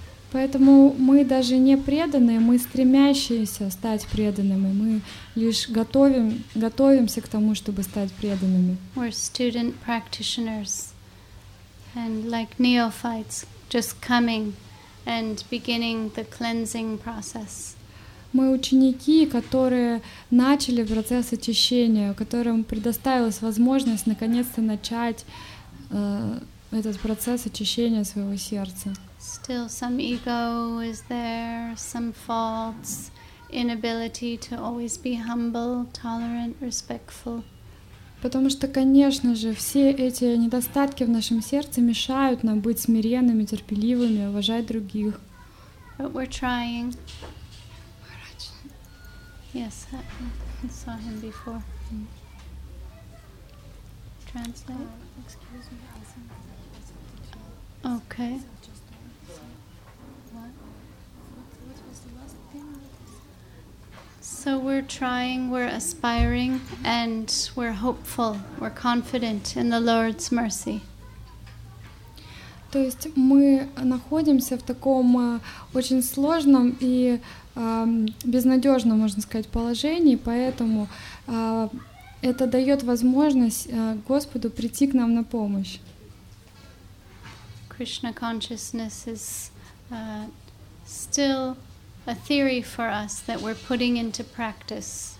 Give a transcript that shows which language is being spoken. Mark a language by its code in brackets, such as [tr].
[ru] Поэтому мы даже не преданные, мы стремящиеся стать преданными. Мы лишь готовимся к тому, чтобы стать преданными. [en] We're student practitioners and like neophytes, just coming and beginning the cleansing process. [ru] Мы ученики, которые начали процесс очищения, которым предоставилась возможность наконец-то начать этот процесс очищения своего сердца. [en] Still some ego is there, some faults, inability to always be humble, tolerant, respectful. [ru] Потому что, конечно же, все эти недостатки в нашем сердце мешают нам быть смиренными, терпеливыми, уважать других. [en] But we're trying. Maharaj. Yes, happened. saw him before. Translate. Excuse me, I think. Okay. What was the last thing? So we're trying, we're aspiring, and we're hopeful, we're confident in the Lord's mercy. [ru] То есть мы находимся в таком очень сложном и безнадежном, можно сказать, положении, поэтому это дает возможность Господу прийти к нам на помощь. [en] Krishna consciousness is still a theory for us that we're putting into practice.